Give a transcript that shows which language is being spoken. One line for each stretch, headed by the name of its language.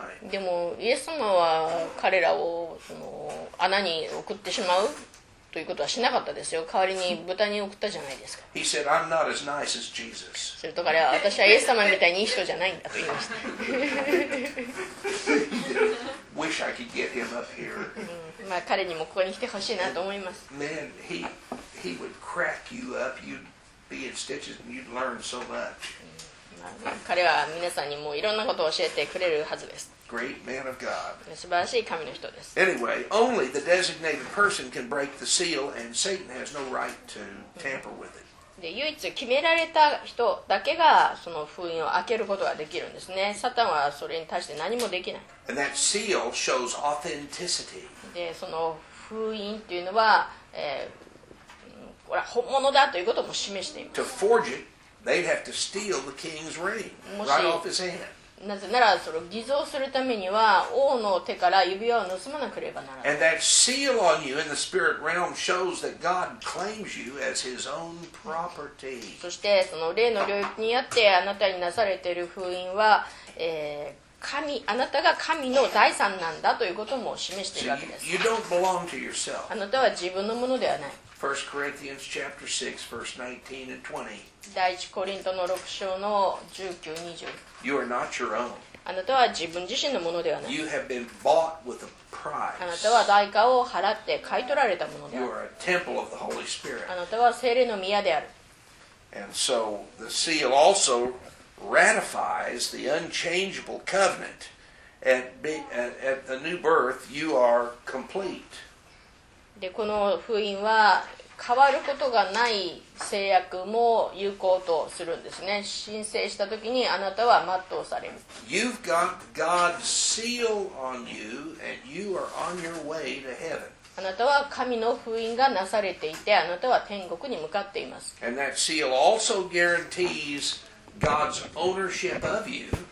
Japanese: でもイエス様は彼らをその穴に送ってしまうということはしなかったですよ。代わりに豚に送ったじゃないですか。
English: He said, I'm not as nice as Jesus.
Japanese: すると彼は、私はイエス様みたいにいい人じゃないんだと言いました。
English: Wish I could get him up here.
Japanese: まあ彼にもここに来てほしいなと思います。
English: Man, he would crack you up. You'd be in stitches and you'd learn so much.
Japanese: 彼は皆さんにもいろんなことを教えてくれるはずです。
English: Great man of God.
Japanese: 素晴らしい神の人です。
English: Anyway, only the designated person can break the seal, and Satan has no right to tamper with it.
Japanese: で唯一決められた人だけがその封印を開けることができるんですね。サタンはそれに対して何もできない。
English: And that seal shows authenticity.
Japanese: でその封印というのは、これは本物だということも示しています。
English: To forge it, they'd have to steal the king's ring right off his hand.
Japanese: なぜならそれを偽造するためには王の手から指輪を盗まなければならない。
English: And that seal on you in the spirit realm shows that God claims you as his own property.
Japanese: そしてその霊の領域にあってあなたになされている封印は、神、あなたが神の財産なんだということも示しているわけです。
English: So you don't belong to yourself.
Japanese: あなたは自分のものではない。
English: 1 Corinthians chapter 6, verse 19 and 20.
Japanese: 第一コリントの6章の19、20.
English: You are not your own.
Japanese: あなたは自分自身のものではない。
English: You have been bought with a price.
Japanese: あなたは代価を払って買い取られたものである。
English: You are a temple of the Holy Spirit.
Japanese: あなたは聖霊の宮である。
English: And so the seal also ratifies the unchangeable covenant. At the new birth, you are complete.
Japanese: でこの封印は変わることがない契約も有効とするんですね。申請したときにあなたは全うされる。
English: You've got God's seal on you and you are on your way to heaven.
Japanese: あなたは神の封印がなされていてあなたは天国に向かっています。
English: And that seal also guarantees God's ownership of you.